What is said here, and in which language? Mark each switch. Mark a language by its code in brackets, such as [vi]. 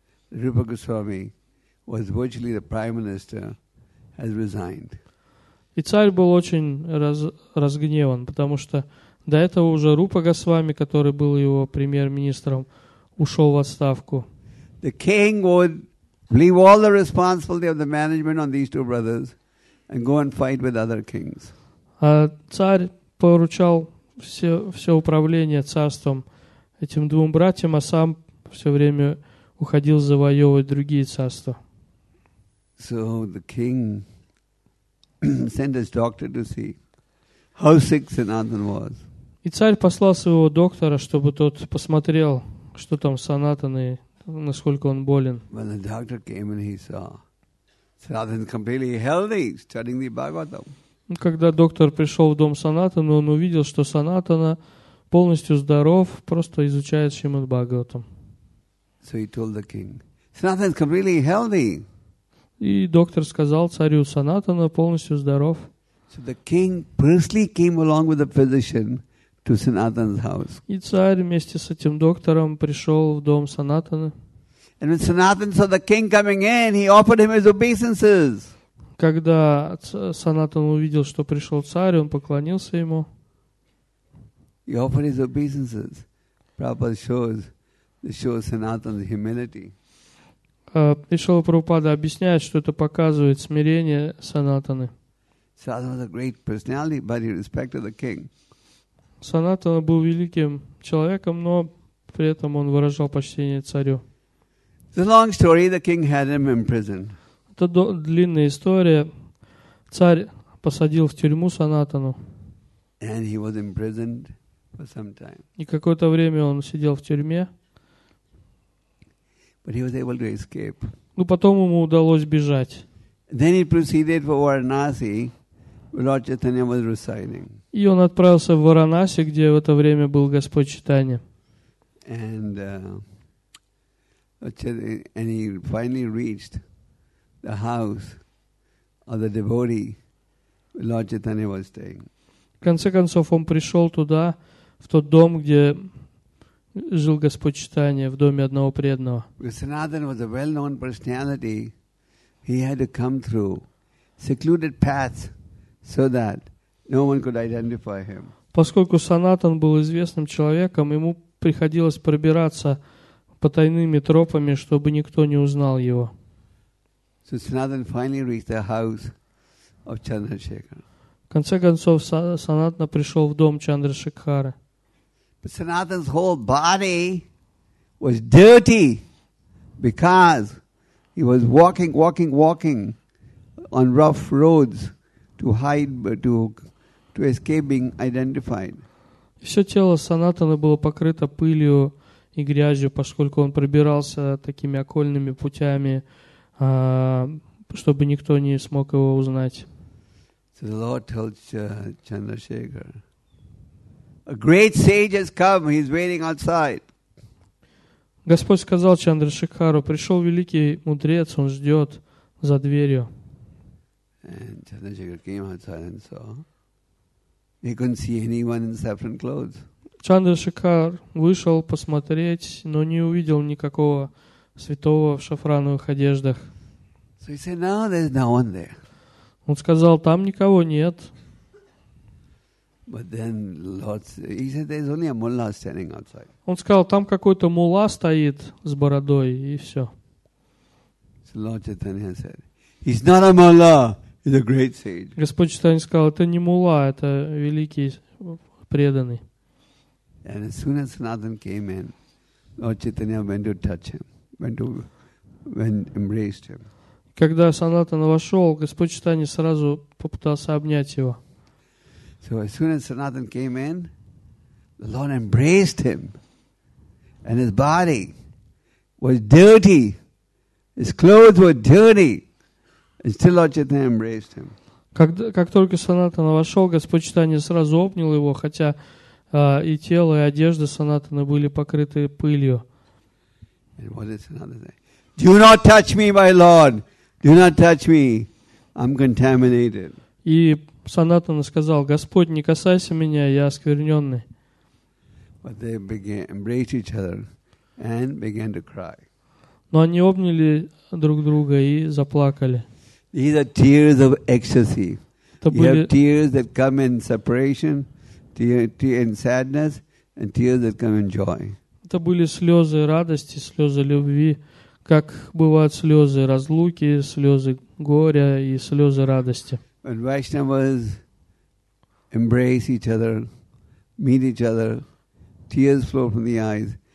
[en] Rupa Goswami was virtually the prime minister, has resigned. [ru] И царь был очень разгневан, потому что до этого уже Рупа Госвами, который был его премьер-министром, ушел в отставку. [en] The king would leave all the responsibility of the management on these two brothers and go and fight with other kings. [ru] А царь поручал все управление царством этим двум братьям, а сам все время уходил завоевывать другие царства. [en] So the king sent his doctor to see how sick Sanatan was. [ru] И царь послал своего доктора, чтобы тот посмотрел, что там Санатан и насколько он болен. [en] When the doctor came and he saw Sanatan completely healthy, studying the Bhagavatam. [ru] Когда доктор пришел в дом Санатана, он увидел, что Санатана полностью здоров, просто изучает Шримад Бхагаватам. [en] So he told the king, Sanatan is completely healthy. [ru] И доктор сказал царю, Санатана полностью здоров. [en] So the king personally came along with the physician to Sanatana's house. [ru] И царь вместе с этим доктором пришел в дом Санатана. [en] And when Sanatan saw the king coming in, he offered him his obeisances. [ru] Когда Санатан увидел, что пришел царь, он поклонился ему. [en] He offered his obeisances. Prabhupada shows Sanatana's humility. [ru] Ишвала Прабхупада объясняет, что это показывает смирение Санатаны. Санатана был великим человеком, но при этом он выражал почтение царю. Это длинная история. Царь посадил в тюрьму Санатану. И какое-то время он сидел в тюрьме. [en] But he was able to escape. [ru] Ну потом ему удалось бежать. [en] Then he proceeded for Varanasi, where Lord Chaitanya was residing. [ru] И он отправился в Варанаси, где в это время был Господь Чайтанья. [en] And he finally reached the house of the devotee where Lord Chaitanya was staying. [ru] В конце концов он пришел туда, в тот дом, где жил Господь Чайтанья, в доме одного преданного. [en] Sanatan was a well-known personality. He had to come through secluded paths so that no one could identify him. [ru] Поскольку Санатан был известным человеком, ему приходилось пробираться по тайными тропами, чтобы никто не узнал его. [en] So Sanatan finally reached the house of Chandrasekhar. [ru] В конце концов, Санатана пришел в дом Чандрашекхары. [en] But Sanatan's whole body was dirty because he was walking on rough roads to hide, to escape being identified. [ru] Все тело Санатана было покрыто пылью и грязью, поскольку он пробирался такими окольными путями, чтобы никто не смог его узнать. [en] So the Lord told Chandrasekhar, a great sage has come. He's waiting outside. [ru] Господь сказал Чандрашекхару, пришел великий мудрец, он ждет за дверью. [en] And Chandrasekhar came outside and saw. He couldn't see anyone in saffron clothes. [ru] Чандрашекхар вышел посмотреть, но не увидел никакого святого в шафрановых одеждах. [en] So he said, "Now there's no one there." [ru] Он сказал, там никого нет. [en] But then Lord, he said, "There's only a mullah standing outside." [ru] Он сказал, там какой-то мулла стоит с бородой и все. [en] So Lord Chaitanya said, "He's not a mullah. He's a great sage." [ru] Господь Чайтанья сказал, это не мулла, это великий преданный. [en] And as soon as Sanatan came in, Lord Chaitanya went to touch him, went embraced him. [ru] Когда Санатан вошел, Господь Чайтанья сразу попытался обнять его. [en] So as soon as Sanatan came in, the Lord embraced him, and his body was dirty, his clothes were dirty, and still Lord Chaitanya embraced him. [ru] Как только Санатана вошел, Господь Чайтанья сразу обнял его, хотя и тело, и одежда Санатана были покрыты пылью. [en] And what is another thing? Do not touch me, my Lord. Do not touch me. I'm contaminated. [ru] И Санатана сказал, Господь, не касайся меня, я оскверненный. [en] But they began embraced each other and began to cry. [ru] Но они обняли друг друга и заплакали. [en] These are tears of ecstasy. You have tears that come in separation, tears in sadness, and tears that come in joy. [ru] Это были слезы радости, слезы любви, как бывают слезы разлуки, слезы горя и слезы радости. [en] When Vaishnavas embrace each other, meet each other, tears flow from the eyes.